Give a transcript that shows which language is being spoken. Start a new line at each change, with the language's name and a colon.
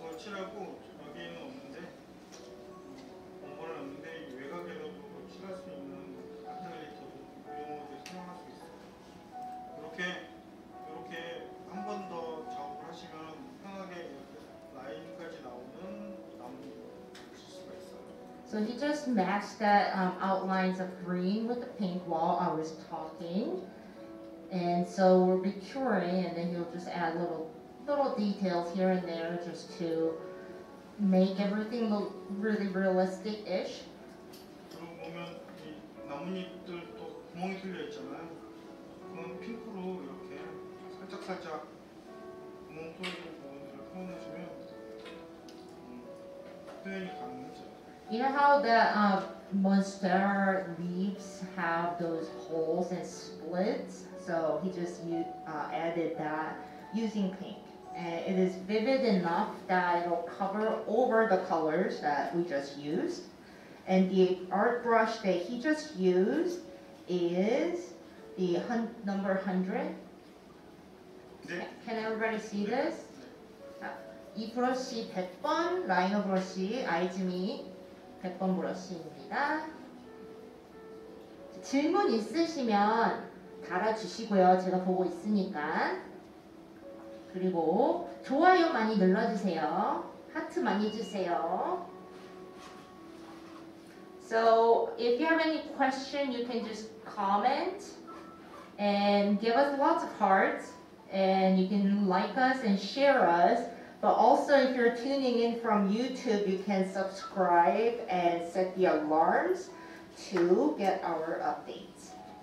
Korean: 거칠하고 여기에는 없는데 공간은 없는데 외곽에도 칠할 수 있는 아트글리터도 유용하게 사용할 수 있어요. 이렇게 한 번 더 작업을 하시면 편하게 라인까지 나오는 나무도 보실 수가 있어요.
English: So he just matched that outlines of green with the pink while I was talking. And so we'll be curing and then he'll just add little details here and there just to make everything look really realistic-ish.
Korean: 그리고 보면 이 나뭇잎들도 구멍이 뚫려있잖아요. 그건 핑크로 이렇게 살짝살짝 구멍 뚫리는 부분들을 표현해주면 표현이 가능하죠.
English: You know how the monster leaves have those holes and splits? So he just added that using pink. It is vivid enough that it will cover over the colors that we just used. And the art brush that he just used is the number 100.
Korean: 네.
English: Can everybody see
Korean: 네.
English: this?
Korean: 이 브러쉬 100번 라이너 브러쉬 아이즈미 100번 브러쉬입니다. 질문 있으시면 달아주시고요. 제가 보고 있으니까. 그리고 좋아요 많이 눌러주세요. 하트 많이 주세요.
English: So if you have any question, you can just comment and give us lots of hearts. And you can like us and share us. But also if you're tuning in from YouTube, you can subscribe and set the alarms to get our updates.